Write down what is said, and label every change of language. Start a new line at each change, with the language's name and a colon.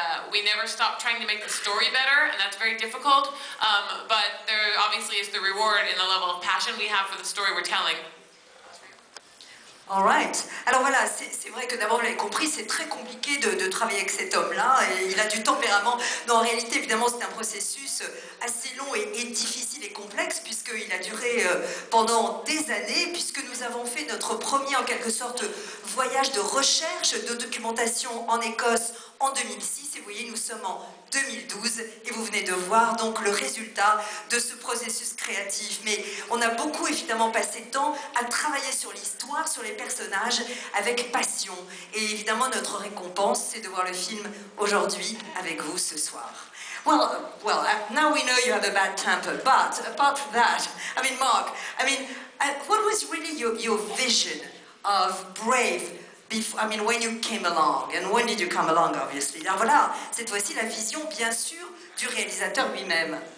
English: We never stop trying to make the story better, and that's very difficult. But there obviously is the reward in the level of passion we have for the story we're telling. All right.
French: Alors voilà, c'est vrai que d'abord, vous l'avez compris, c'est très compliqué de travailler avec cet homme-là. Il a du tempérament. Non, en réalité, évidemment, c'est un processus assez long et difficile et complexe, puisqu'il a duré pendant des années, puisque nous avons fait notre premier, en quelque sorte, voyage de recherche, de documentation en Écosse en 2006. Et vous voyez, nous sommes en 2012 et vous venez de voir donc le résultat de ce processus créatif. Mais on a beaucoup évidemment passé de temps à travailler sur l'histoire, sur les personnages avec passion. Et évidemment notre récompense, c'est de voir le film aujourd'hui avec vous ce soir.
English: Well, now we know you have a bad temper, but apart from that, I mean, Mark, I mean, what was really your vision of Brave? Before, I mean, when you came along, and when did you come along, obviously?
French: Alors voilà, cette fois-ci la vision, bien sûr, du réalisateur lui-même.